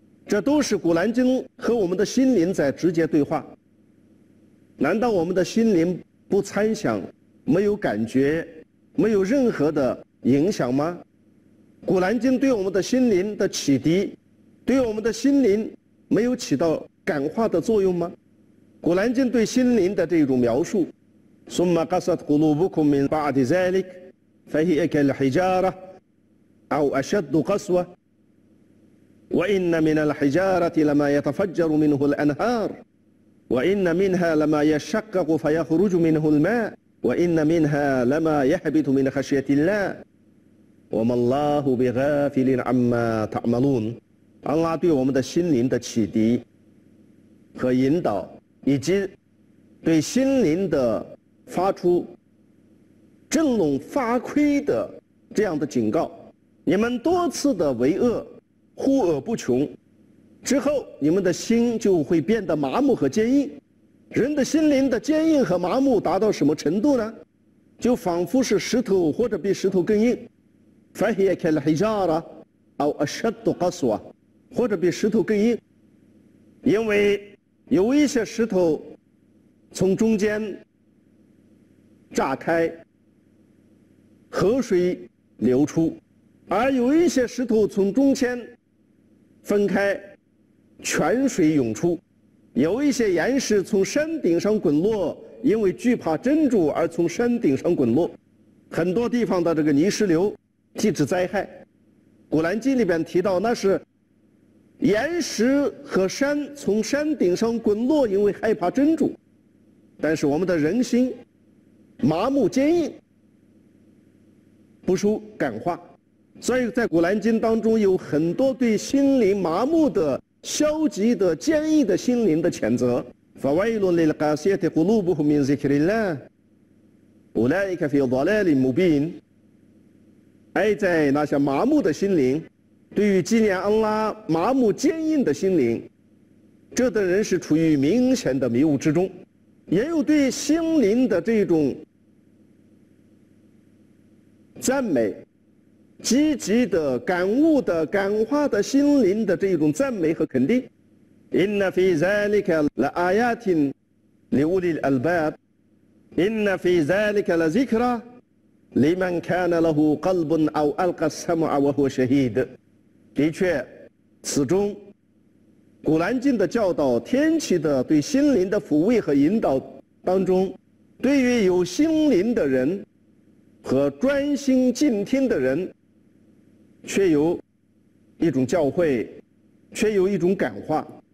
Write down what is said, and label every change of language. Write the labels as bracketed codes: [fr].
[zh] 这都是古兰经和我们的心灵在直接对话。难道我们的心灵不参想，没有感觉，没有任何的影响吗？古兰经对我们的心灵的启迪，对我们的心灵没有起到感化的作用吗？古兰经对心灵的这种描述， [ar] ثم قست قلوبكم من بعد ذلك فهي كالحجارة أو أشد قسوة وإن من الحجارة لما يتفجر منه الأنهار وإن منها لما يشقق فيخرج منه الماء وإن منها لما يهبط من خشية الله وما الله بغافل عما تعملون。 [zh] 安拉对我们的心灵的启迪和引导，以及对心灵的发出振聋发聩的这样的警告，你们多次的为恶，忽而不穷，之后你们的心就会变得麻木和坚硬。人的心灵的坚硬和麻木达到什么程度呢？就仿佛是石头，或者比石头更硬。 [ar] فهي كالحجارة أو أشد قسوة， [zh] 或者比石头更硬。因为有一些石头从中间炸开，河水流出，而有一些石头从中间分开，泉水涌出。有一些岩石从山顶上滚落，因为惧怕真主而从山顶上滚落。很多地方的这个泥石流地质灾害，古兰经里边提到，那是岩石和山从山顶上滚落，因为害怕真主。但是我们的人心麻木坚硬，不受感化，所以在古兰经当中有很多对心灵麻木的、消极的、坚硬的心灵的谴责。 [ar] فويل للقاسية قلوبهم من ذكر الله أولئك في ضلال مبين。 [zh] 哀在那些麻木的心灵，对于纪念安拉麻木坚硬的心灵，这等人是处于明显的迷雾之中。也有对心灵的这种赞美，积极的感悟的、感化的心灵的这种赞美和肯定。 [ar] إن في ذلك لآيات لأولي الألباب إن في ذلك لذكرى لمن كان له قلب أو ألقى السمع وهو شهيد。 [zh] 的确，此中古兰经的教导、天启的对心灵的抚慰和引导当中，对于有心灵的人和专心静听的人，却有一种教诲，却有一种感化。